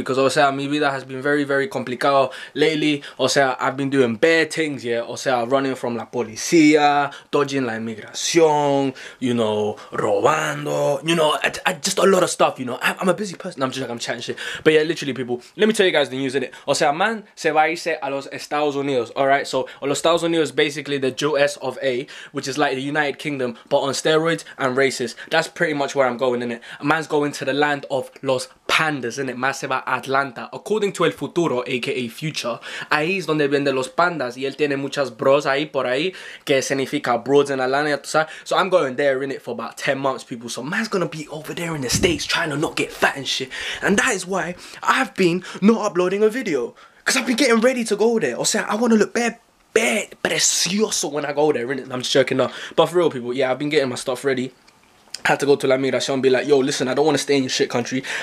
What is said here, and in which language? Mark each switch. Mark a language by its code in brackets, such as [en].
[en] Because, [es] o sea, mi vida [en] has been very, very [es] complicado [en] lately. [es] O sea, [en] I've been doing bad things, yeah? [es] O sea, [en] running from [es] la policía, [en] dodging [es] la inmigración, [en] you know, [es] robando, [en] you know, just a lot of stuff, you know. I'm a busy person. I'm just like, I'm chatting shit. But yeah, literally, people, let me tell you guys the news, innit? [es] O sea, man se va a irse a los Estados Unidos. [en] Alright, so los Estados Unidos is basically the US of A, which is like the United Kingdom, but on steroids and racist. That's pretty much where I'm going, innit? Man's going to the land of [es] los pandas, [en] innit? [es] Más se va a Atlanta. [en] According to [es] El Futuro, [en] aka Future, [es] ahí es donde venden los pandas. Y él tiene muchas bros ahí por ahí, que significa bros en Atlanta, tú sabes? [en] So I'm going there, innit, for about 10 months, people. So man's gonna be over there in the States trying to not get fat and shit. And that is why I've been not uploading a video. Because I've been getting ready to go there. [es] O sea, [en] I want to look bad, [es] precioso [en] when I go there, innit? I'm just joking, now. But for real, people, yeah, I've been getting my stuff ready. Had to go to La Migracion and be like, yo, listen, I don't want to stay in your shit country.